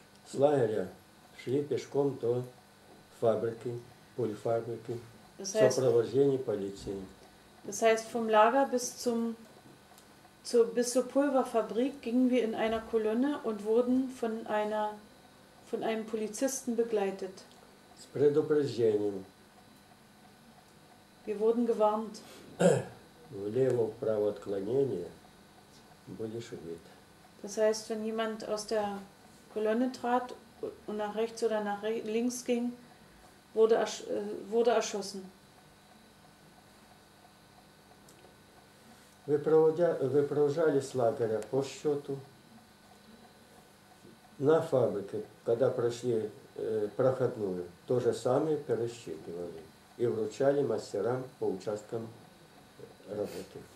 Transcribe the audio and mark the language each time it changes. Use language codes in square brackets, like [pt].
[ru] с лагеря шли пешком до фабрики, пульфабрики, сопровождение полиции. [de] Das heißt, vom Lager bis zur Pulverfabrik gingen wir in einer Kolonne und wurden von einem Polizisten begleitet. [ru] С предупреждением. [de] Wir wurden gewarnt. [ru] Влево-вправо отклонение, будешь убит. [de] Das heißt, wenn jemand aus der Kolonne trat und nach rechts oder nach links ging, wurde erschossen. [uk] Випроводжали з лагеря по счету на фабрики, коли пройшли проходную, то же саме пересчитували і вручали мастерам по участкам роботи.